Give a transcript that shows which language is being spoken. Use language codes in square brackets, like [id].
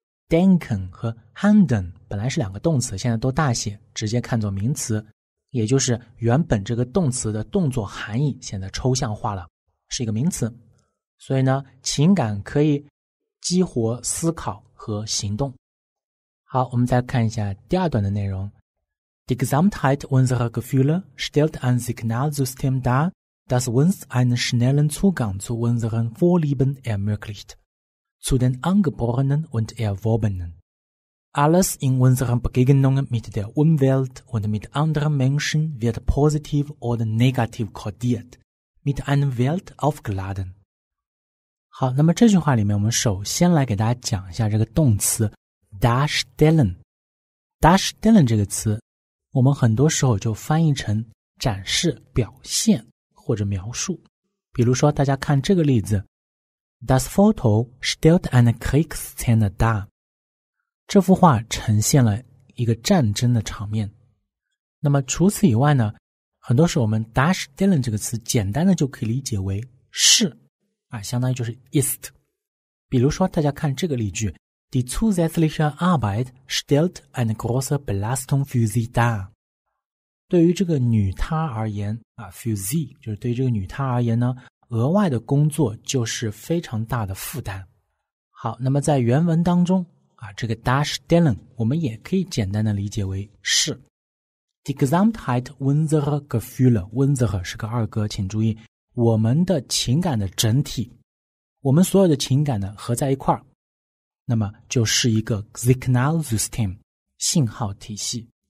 [zh] denken 和 handeln 本来是两个动词，现在都大写直接看作名词，也就是原本这个动词的动作含义现在抽象化了，是一个名词。所以呢，情感可以激活思考和行动。好，我们再看一下第二段的内容。 [de] Die Gesamtheit unserer Gefühle stellt ein Signalsystem dar, das uns einen schnellen Zugang zu unseren Vorlieben ermöglicht. zu den Angeborenen und Erworbenen. Alles in unseren Begegnungen mit der Umwelt und mit anderen Menschen wird positiv oder negativ kodiert, mit einem Wert aufgeladen. [zh] 好，那么这句话里面我们首先来给大家讲一下这个动词 darstellen。 darstellen 这个词我们很多时候就翻译成展示、表现或者描述。比如说大家看这个例子， [de] Das Foto stellt eine Kriegsszene dar. [zh] 这幅画呈现了一个战争的场面。那么除此以外呢，很多时候我们 darstellen 这个词简单的就可以理解为是啊，相当于就是 ist。比如说大家看这个例句， [de] Die zusätzliche Arbeit stellt eine große Belastung für sie dar. [zh] 对于这个女她而言啊 [de] für sie [zh] 就是对于这个女她而言呢，额外的工作就是非常大的负担。好，那么在原文当中啊，这个 darstellen 我们也可以简单的理解为是。 [de] Die Gesamtheit unserer Gefühle， [zh] unserer 是个二格，请注意我们的情感的整体，我们所有的情感呢合在一块儿，那么就是一个 Signalsystem 信号体系。